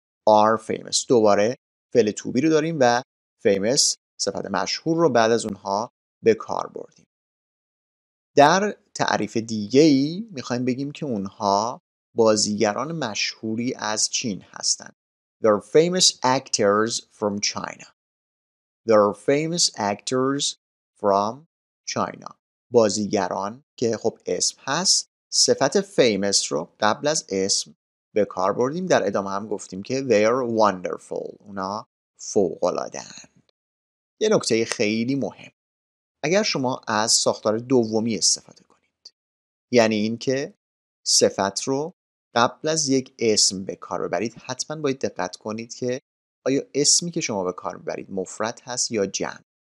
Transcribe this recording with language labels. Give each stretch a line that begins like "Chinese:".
English: Are famous.
Persian: دوباره فعل to be رو داریم و famous صفت مشهور رو بعد از اونها به کار بردیم. در تعریف دیگه‌ای می‌خوایم بگیم که اونها بازیگران مشهوری از چین هستند.
English: They're famous actors from China. They're famous actors from China.
Persian: بازیگران که خب اسم هست، صفت famous رو قبل از اسم به کار بردیم. در ادامه هم گفتیم که
English: they're wonderful.
Persian: اونا فوق‌العاده‌ان. یه نکته خیلی مهم. اگر شما از ساختار دومی استفاده کنید، یعنی اینکه صفت رو قبل از یک اسم به کار ببرید، حتما باید دقت کنید که آیا اسمی که شما به کار ببرید مفرد هست یا جمع.